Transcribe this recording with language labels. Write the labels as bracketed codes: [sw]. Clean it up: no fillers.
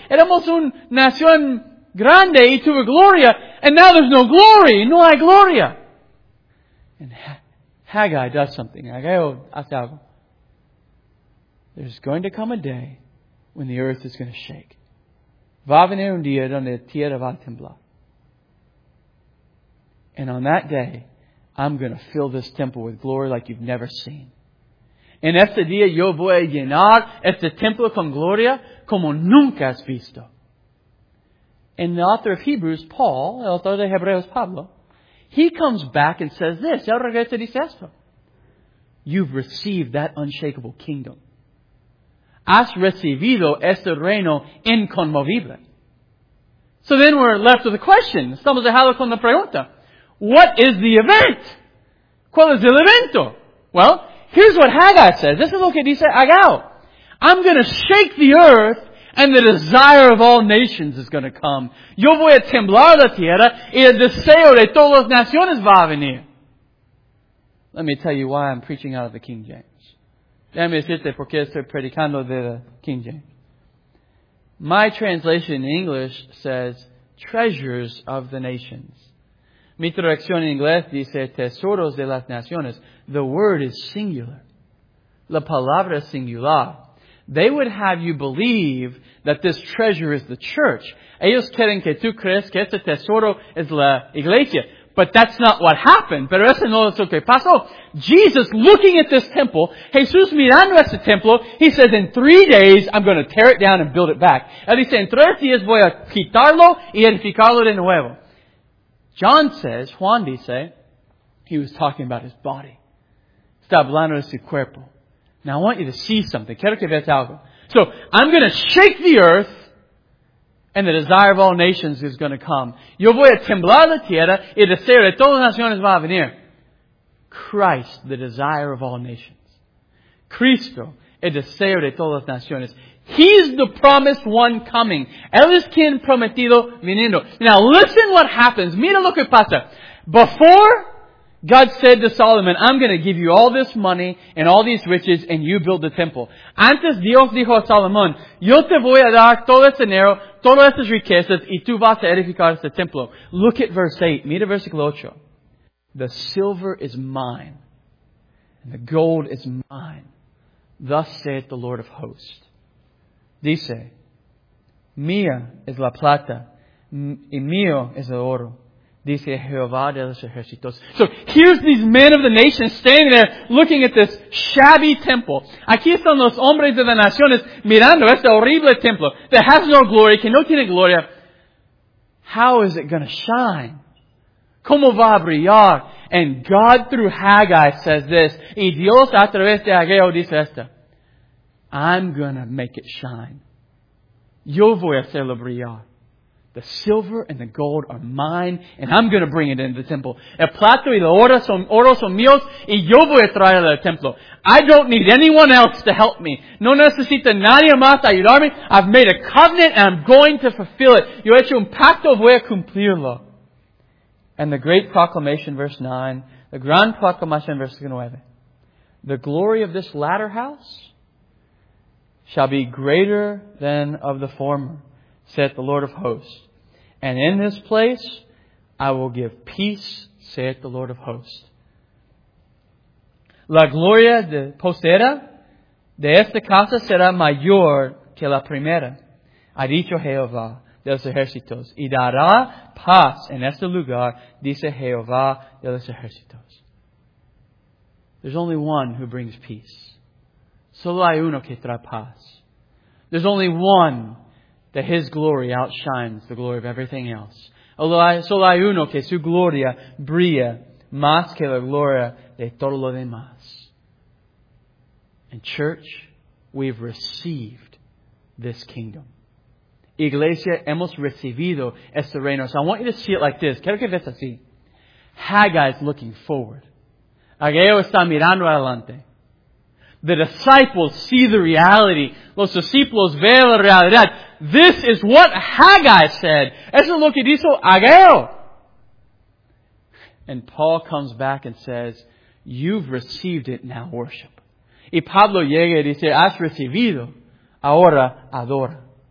[es] Éramos una nación grande y tuvo gloria. [en] And now there's no glory. [es] No hay gloria. [en] And Haggai does something. [es] Haggai hace algo. [en] There's going to come a day when the earth is going to shake. [es] Va a venir un día donde la tierra va a temblar. [en] And on that day, I'm going to fill this temple with glory like you've never seen. [es] En este día yo voy a llenar este templo con gloria como nunca has visto. [en] And the author of Hebrews, Paul, [es] el autor de Hebreos, Pablo, [en] he comes back and says this. [es] El regreso dice esto. [en] You've received that unshakable kingdom. [es] Has recibido este reino inconmovible. [en] So then we're left with a question. [es] Estamos dejados con la pregunta. [en] What is the event? [es] ¿Cuál es el evento? [en] Well, here's what Haggai says. This is [es] lo que dice Haggai. [en] I'm going to shake the earth and the desire of all nations is going to come. [es] Yo voy a temblar la tierra y el deseo de todas las naciones va a venir. [en] Let me tell you why I'm preaching out of the King James. [es] Déjame decirte por qué estoy predicando de la King James. [en] My translation in English says, treasures of the nations. [es] Mi traducción en inglés dice, tesoros de las naciones. [en] The word is singular. [es] La palabra es singular. [en] They would have you believe that this treasure is the church. [es] Ellos quieren que tú creas que este tesoro es la iglesia. [en] But that's not what happened. [es] Pero eso no es lo que pasó. [en] Jesus, looking at this temple, [es] Jesús mirando este templo, [en] he says, in 3 days, I'm going to tear it down and build it back. [es] Él dice, en 3 días voy a quitarlo y edificarlo de nuevo. [en] John says, [es] Juan dice, [en] he was talking about his body. [es] Está hablando de su cuerpo. [en] Now I want you to see something. [es] Quiero que veas algo. [en] So, I'm going to shake the earth, and the desire of all nations is going to come. [es] Yo voy a temblar la tierra, y el deseo de todas las naciones va a venir. [en] Christ, the desire of all nations. [es] Cristo, el deseo de todas las naciones. [en] He's the promised one coming. [es] Él es quien prometido viniendo. [en] Now listen what happens. [es] Mira lo que pasa. [en] Before, God said to Solomon, I'm going to give you all this money and all these riches and you build the temple. [es] Antes Dios dijo a Salomón, yo te voy a dar todo este dinero, todas estas riquezas y tú vas a edificar este templo. [en] Look at verse 8. [es] Mira versículo 8. [en] The silver is mine and the gold is mine. Thus saith the Lord of hosts. [es] Dice, mía es la plata y mío es el oro. Dice Jehová de los ejércitos. [en] So here's these men of the nation standing there looking at this shabby temple. [es] Aquí están los hombres de las naciones mirando este horrible templo [en] that has no glory, [es] que no tiene gloria. [en] How is it going to shine? [es] ¿Cómo va a brillar? [en] And God through Haggai says this. [es] Y Dios a través de Haggai dice esto. [en] I'm going to make it shine. [es] Yo voy a hacerlo brillar. [en] The silver and the gold are mine, and I'm going to bring it into the temple. [es] El plato y la oro son míos, y yo voy a traerlo al templo. [en] I don't need anyone else to help me. [es] No necesito nadie más ayudarme. [en] I've made a covenant, and I'm going to fulfill it. [es] Yo he hecho un pacto, voy a cumplirlo. [en] And the great proclamation, verse 9, the [es] gran proclamación, [en] verse 9, the glory of this latter house shall be greater than of the former, saith the Lord of hosts. And in this place, I will give peace, saith the Lord of hosts. [es] La gloria de postera de esta casa será mayor que la primera, ha dicho Jehová de los ejércitos. Y dará paz en este lugar, dice Jehová de los ejércitos. [en] There's only one who brings peace. [es] Solo hay uno que trae paz. [en] There's only one that His glory outshines the glory of everything else. [es] Solo hay uno que su gloria brilla más que la gloria de todo lo demás. [en] And church, we've received this kingdom. [es] Iglesia, hemos recibido este reino. [en] So I want you to see it like this. [es] Quiero que veas así. [en] Haggai is looking forward. [es] Haggai está mirando adelante. [en] The disciples see the reality. [es] Los discípulos ven la realidad. [en] This is what Haggai said. [es] Eso es lo que dijo Haggai. [en] And Paul comes back and says, you've received it, now worship. [es] Y Pablo llega y dice, has recibido, ahora adora.